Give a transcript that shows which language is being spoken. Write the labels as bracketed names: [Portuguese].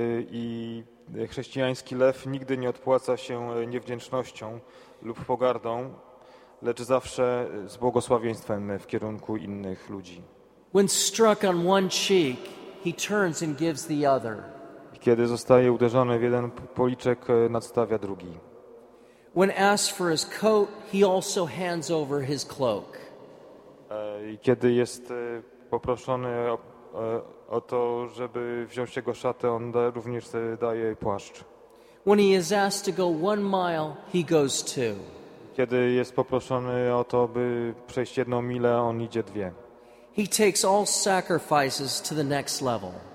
[Polish] I chrześcijański lew nigdy nie odpłaca się niewdzięcznością lub pogardą. Lecz zawsze z błogosławieństwem w kierunku innych ludzi. [English] When struck on one cheek, he turns and gives the other. [Polish] Kiedy zostaje uderzony w jeden policzek, nadstawia drugi. [English] When asked for his coat, he also hands over his cloak. [Polish] Kiedy jest poproszony o to, żeby wziąć jego szatę, on również daje płaszcz. [English] When he is asked to go 1 mile, he goes 2. [Polish] Kiedy jest poproszony o to, by przejść 1 milę, on idzie 2. [English] He takes all sacrifices to the next level.